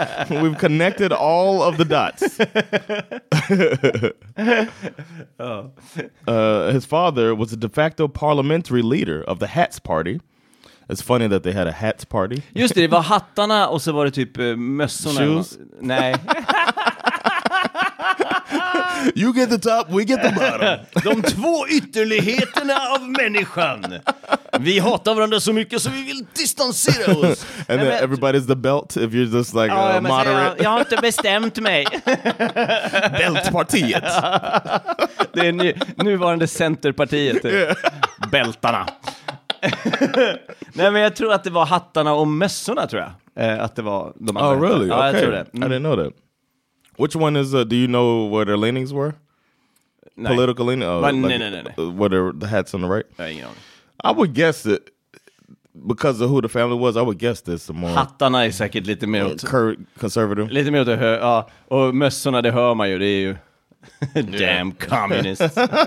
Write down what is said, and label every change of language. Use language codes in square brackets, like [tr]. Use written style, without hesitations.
[en] we've connected all of the dots. His father was a de facto parliamentary leader of the Hats Party. It's funny that they had a Hats Party. [sv] Just det, det var hattarna och så var det typ mössorna. [en] Shoes? [sv] Nej. [en] You get the top, we get the bottom. [sv] De två ytterligheterna av människan. Vi hatar varandra så mycket så vi vill distansera oss. [en] And then everybody's the belt if you're just like a moderate. [sv] Jag har inte bestämt mig. Bältpartiet. Det är nuvarande centerpartiet. Typ. Yeah. Bältarna. Nej, men jag tror att det var hattarna och mössorna, tror jag. Att det var de andra. [en] Oh, really? [sv] Ja, [en] okay. [sv] Jag tror det. [en] Mm. I didn't know that. Which one is, do you know where their leanings were? [sv] Nej. [en] Political leaning? No. Where the hats on the right? Nej, you know. I would guess that because of who the family was, I would guess this more. [sv] Hattarna är säkert lite mer åt [en] conservative. [sv] Lite mer åt höger, ja. Och mössorna, det hör man ju, det är ju [en] damn communists.